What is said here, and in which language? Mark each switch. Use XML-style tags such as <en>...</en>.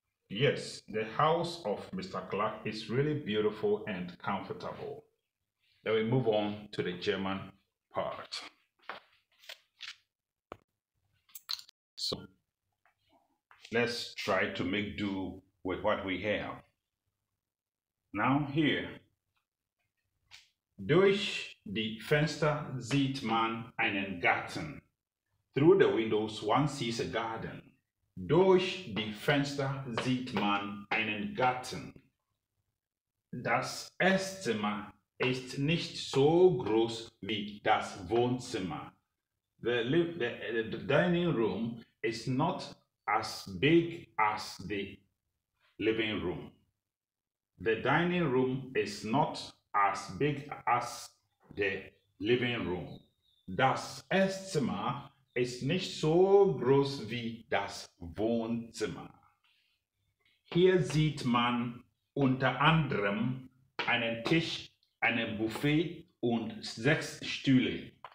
<en>Yes, the house of Mr. Clark is really beautiful and comfortable. Then we move on to the German part. So let's try to make do with what we have. Now here,</en> <de>durch die Fenster sieht man einen Garten.</de> <en>Through the windows one sees a garden.</en> <de>Durch die Fenster sieht man einen Garten. Das Esszimmer ist nicht so groß wie das Wohnzimmer.</de> <en>The dining room is not as big as the living room. The dining room is not as big as the living room.</en> <de>Das Esszimmer ist nicht so groß wie das Wohnzimmer. Hier sieht man unter anderem einen Tisch, einen Buffet und sechs Stühle.</de>